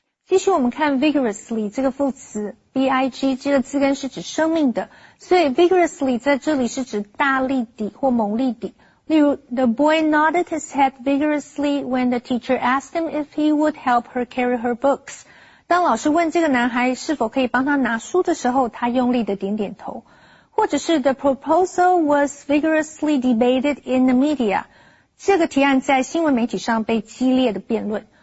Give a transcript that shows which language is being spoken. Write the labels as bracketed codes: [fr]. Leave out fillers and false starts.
[zh] 继续我们看 vigorously 这个副词 ,V-I-G, 这个字根是指生命的。所以 vigorously 在这里是指大力地或猛力地。 [en] 例如 ,the boy nodded his head vigorously when the teacher asked him if he would help her carry her books. [zh] 当老师问这个男孩是否可以帮他拿书的时候,他用力地点点头。或者是 [en] ,the proposal was vigorously debated in the media. [zh] 这个提案在新闻媒体上被激烈地辩论。